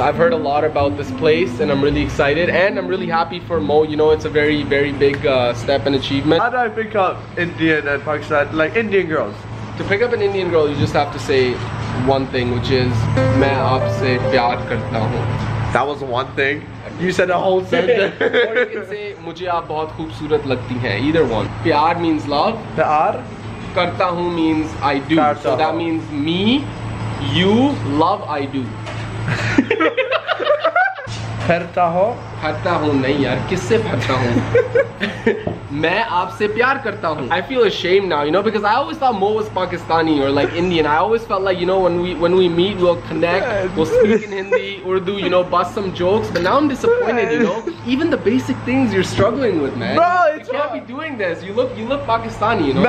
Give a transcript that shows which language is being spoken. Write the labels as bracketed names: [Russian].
[English] I've heard a lot about this place and I'm really excited, and I'm really happy for Mo. You know, it's a very, very big step and achievement. How do I pick up Indian and Pakistan, like Indian girls? To pick up an Indian girl, you just have to say one thing, which is, [Hindi] मैं आप से प्यार करता हूँ. [English] That was one thing. You said a whole sentence. Or you can say, [Hindi] मुझे आप बहुत खूबसूरत लगती हैं. [English] Either one. प्यार means love. [Hindi] Pyar. करता हु [English] means I do. [Hindi] करता सो हो. [English] That means me, you, love, I do. [Hindi] Pharta ho. फरता हु नहीं यार. किससे फरता हु? मैं आपसे प्यार करता who. [English] I feel ashamed now, you know, because I always thought Mo was Pakistani or like Indian. I always felt like, you know, when we meet, we'll connect, we'll speak in Hindi, Urdu, you know, bust some jokes. But now I'm disappointed, you know. Even the basic things you're struggling with, man. Bro, it's you can't be doing this. You look Pakistani, you know.